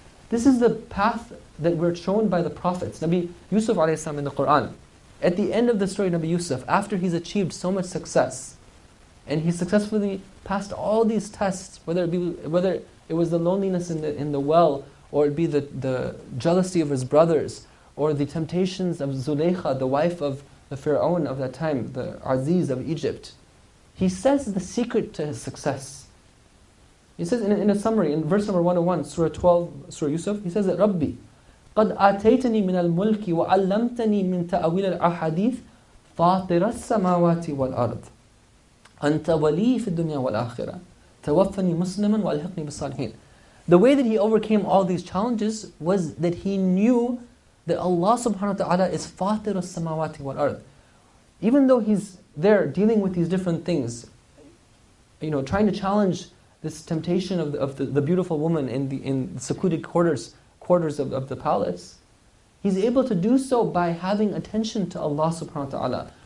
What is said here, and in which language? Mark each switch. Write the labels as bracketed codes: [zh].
[en] This is the path that we're shown by the prophets. Nabi Yusuf alayhi salam in the Quran, at the end of the story of Nabi Yusuf, after he's achieved so much success, and he successfully passed all these tests, whether it was the loneliness in the well, or it be the jealousy of his brothers, or the temptations of Zulaykha, the wife of the Pharaoh of that time, the Aziz of Egypt, he says the secret to his success. He says in a summary, in verse number 101, Surah 12, Surah Yusuf, he says that, Rabbi, [ar] قَدْ آتَيْتَنِي مِنَ الْمُلْكِ وَعَلَّمْتَنِي مِنْ تَأْوِيلَ الْأَحَادِيثِ فَاطِرَ السَّمَاوَاتِ وَالْأَرْضِ أَنْتَ وَلِي فِي الدُّنْيَا وَالْآخِرَةِ تَوَفَّنِي مُسْلِمًا وَأَلْحِقْنِي بِالصَّالِحِينَ. [en] The way that he overcame all these challenges was that he knew that Allah subhanahu wa ta'ala is [ar] فَاطِرُ السَّمَاوَاتِ وَالْأَرْضِ. [en] Even though he's there dealing with these different things, you know, trying to challenge this temptation of the beautiful woman in secluded quarters of the palace, he's able to do so by having attention to Allah subhanahu wa ta'ala.